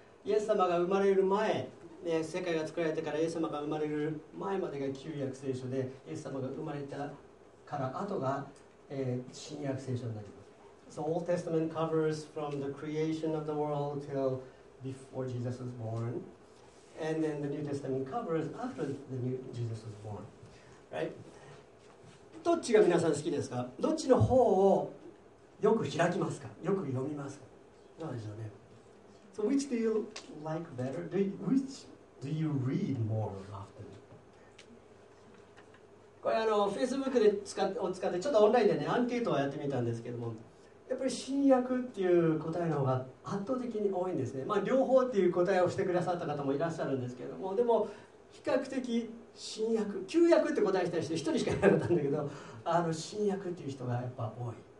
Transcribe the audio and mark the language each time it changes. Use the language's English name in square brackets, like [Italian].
[Japanese] イエス様が生まれる前、ね、世界が作られてからイエス様が生まれる前までが旧約聖書で、イエス様が生まれたから後が、新約聖書になります。 [English] So Old Testament covers from the creation of the world till before Jesus was born. And then the New Testament covers after the new Jesus was born. Right? [Japanese] どっちが皆さん好きですか？どっちの方をよく開きますか？よく読みますか？どうでしょうね。 [English] So which do you like better? Which do you read more often? [Japanese] これあの Facebook で使ってちょっとオンラインでねアンケートをやってみたんですけども、やっぱり新約っていう答えの方が圧倒的に多いんですね。まあ両方っていう答えをしてくださった方もいらっしゃるんですけども、でも比較的新約、旧約って答えした人一人しかいなかったんだけど、あの新約っていう人がやっぱ多い。